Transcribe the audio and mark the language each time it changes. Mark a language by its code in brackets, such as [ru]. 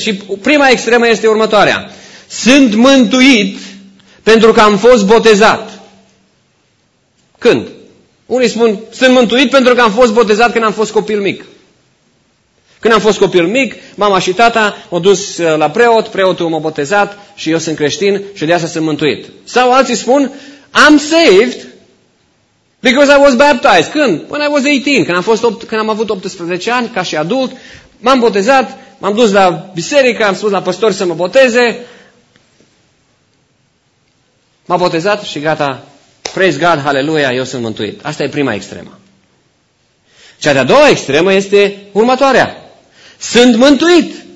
[ro] Și prima extremă este următoarea. Sunt mântuit pentru că am fost botezat. Când? Unii spun, sunt mântuit pentru că am fost botezat când am fost copil mic. Când am fost copil mic, mama și tata m-au dus la preot, preotul m-a botezat și eu sunt creștin și de asta sunt mântuit. Sau alții spun, [en] I'm saved because I was baptized. [ro] Când? [en] When I was 18, [ro] când am avut 18 ani ca și adult, m-am botezat, m-am dus la biserică, am spus la păstor să mă boteze, m-a botezat și gata. [en] Praise God, [ro] hallelujah, eu sunt mântuit. Asta e prima extremă. Cea de-a doua extremă este următoarea. Sunt mântuit.